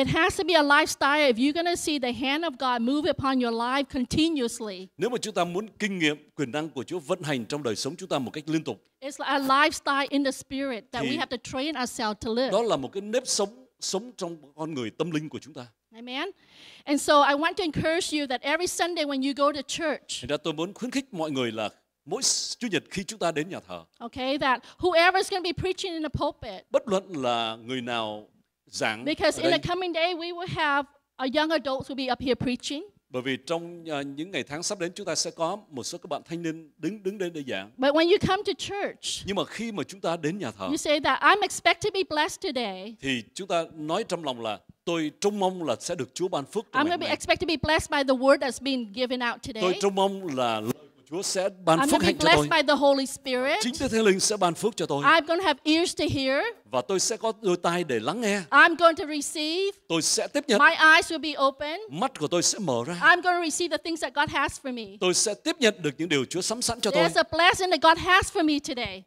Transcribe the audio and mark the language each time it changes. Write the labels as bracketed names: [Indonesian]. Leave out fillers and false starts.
[English] It has to be a lifestyle if you're going to see the hand of God move upon your life continuously. [Vietnamese] Nếu mà chúng ta muốn kinh nghiệm quyền năng của Chúa vận hành trong đời sống chúng ta một cách liên tục. [English] It's like a lifestyle in the spirit that we have to train ourselves to live. [Vietnamese] Đó là một cái nếp sống trong con người tâm linh của chúng ta. [English] Amen. And so I want to encourage you that every Sunday when you go to church. [Vietnamese] Thì tôi muốn khuyến khích mọi người là mỗi Chủ nhật khi chúng ta đến nhà thờ. [English] Okay, that whoever is going to be preaching in the pulpit. [Vietnamese] Bất luận là người nào giảng. [English] Because [Vietnamese] ở đây, [English] in the coming day we will have a young adults will be up here preaching. [Vietnamese] Bởi vì trong những ngày tháng sắp đến chúng ta sẽ có một số các bạn thanh niên đứng lên để giảng. [English] But when you come to church. [Vietnamese] Nhưng mà khi mà chúng ta đến nhà thờ. [English] You say that I'm expected to be blessed today. [Vietnamese] Thì chúng ta nói trong lòng là tôi trông mong là sẽ được Chúa ban phước. [English] I'm going to expect to be blessed by the word that's been given out today. [Vietnamese] Tôi trông mong là lời của Chúa sẽ ban phước hạnh cho tôi. [English] I'm going to be blessed by the Holy Spirit. [Vietnamese] Chính Đức Thánh Linh sẽ ban phước cho tôi. [English] I'm going to have ears to hear. [Vietnamese] Và tôi sẽ có đôi tai để lắng nghe. [English] I'm going to receive. [Vietnamese] Tôi sẽ tiếp nhận. [English] My eyes will be open. [Vietnamese] Mắt của tôi sẽ mở ra. [English] I'm going to receive the things that God has for me. [Vietnamese] Tôi sẽ tiếp nhận được những điều Chúa sắm sẵn cho tôi. [English] There's a blessing that God has for me today.